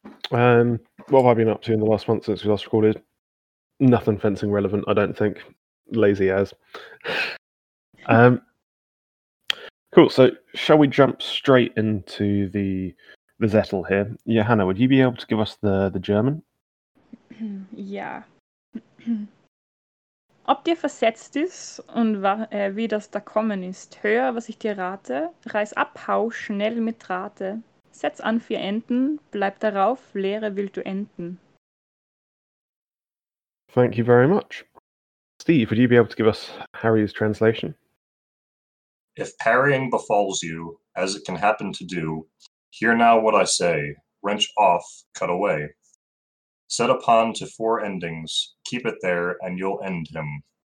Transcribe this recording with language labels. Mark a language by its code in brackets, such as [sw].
[en] What have I been up to in the last month since we last recorded? Nothing fencing relevant, I don't think. Lazy as. Cool, so shall we jump straight into the Zettel here? Johanna, would you be able to give us the German? Yeah. [de] Ob dir versetzt ist und wie das da kommen ist, hör, was ich dir rate, reiß ab, hau schnell mit Rate. Setz an vier Enden, bleib darauf, Lehre willst du enden. [en] Thank you very much. Steve, would you be able to give us Harry's translation? If parrying befalls you, as it can happen to do, hear now what I say, wrench off, cut away. Set a pawn to four endings, keep it there, and you'll end him.